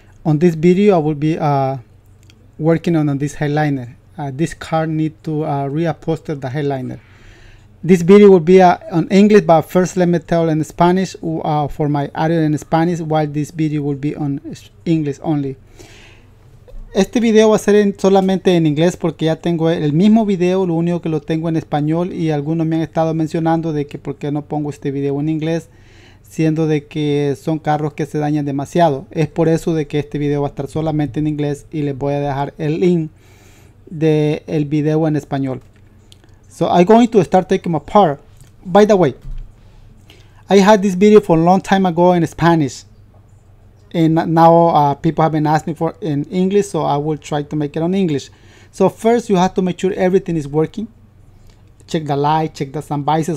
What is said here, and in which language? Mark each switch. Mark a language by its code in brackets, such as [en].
[en] On this video, I will be working on this headliner. This car need to reupholster the headliner. This video will be on English, but first let me tell in Spanish for my audio in Spanish, while this video will be on English only. [es] Este video va a ser solamente en inglés porque ya tengo el mismo video, lo único que lo tengo en español, y algunos me han estado mencionando de que por qué no pongo este video en inglés, siendo de que son carros que se dañan demasiado. Es por eso de que este video va a estar solamente en inglés y les voy a dejar el link del video en español. [en] So I'm going to start taking apart. By the way, I had this video for a long time ago in Spanish, and now people have been asking for in English, so I will try to make it on English. So first you have to make sure everything is working. Check the light, check the sun visor.